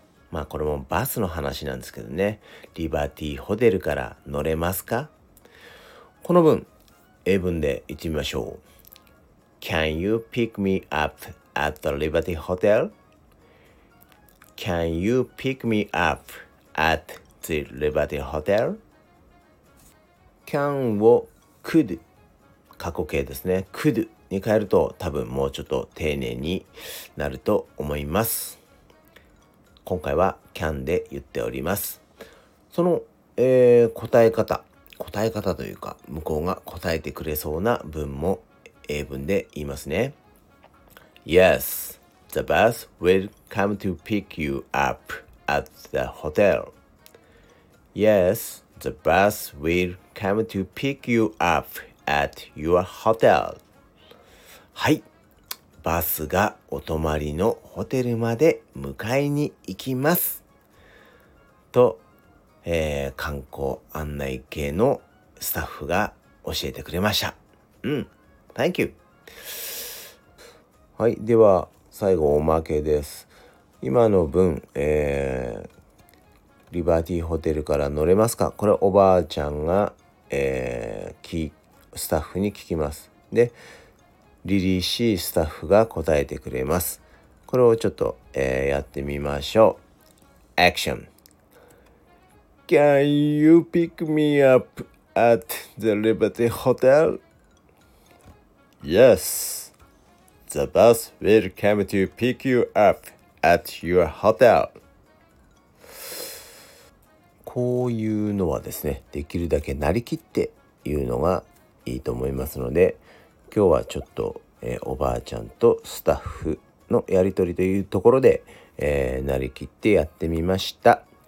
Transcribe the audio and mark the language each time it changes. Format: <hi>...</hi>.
<ja>まあこれもバスの話なんですけどね。リバティホテルから乗れますか。この文英文で言ってみましょう。</ja> <en>Can you pick me up at the Liberty Hotel? Can you pick me up at the Liberty Hotel?</en> <ja>Can を could 過去形ですね。 could に変えると多分もうちょっと丁寧になると思います。今回は can で言っております。その、答え方というか、向こうが答えてくれそうな文も英文で言いますね。</ja> <en>Yes, the bus will come to pick you up at the hotel. Yes, the bus will come to pick you up at your hotel.</en> <ja>はい、バスがお泊まりのホテルまで迎えに行きますと、観光案内系のスタッフが教えてくれました。</ja> <en>うん、Thank you。</en> <ja>はい、では最後おまけです。今の文、リバーティーホテルから乗れますか。これおばあちゃんが、スタッフに聞きます。で、リリーシースタッフが答えてくれます。これをちょっと、やってみましょう。アクション。</ja> <en>Can you pick me up at the Liberty Hotel? Yes, the bus will come to pick you up at your hotel.</en> <ja>こういうのはですね、できるだけなりきって言うのがいいと思いますので、今日はちょっと、おばあちゃんとスタッフのやりとりというところで、なりきってやってみました。</ja>